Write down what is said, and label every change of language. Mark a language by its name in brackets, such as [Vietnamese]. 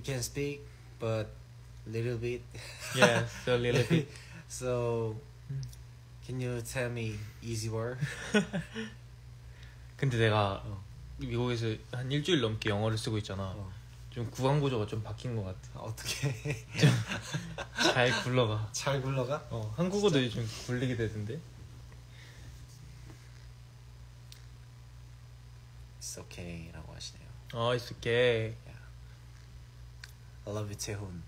[English] can speak, but little bit. Yeah, so little bit. So, can you tell me easy word? [Korean] 근데 내가 미국에서 한 일주일 넘게 영어를 쓰고 있잖아. 어. 좀 구강구조가 좀 바뀐 것 같아. 어떻게? 좀 잘 굴러가. 잘 굴러가? 어, 한국어도 좀 굴리게 되던데. [English] It's okay [Korean] 라고 하시네요. [English] Oh, it's okay. Yeah. I love you, 태훈.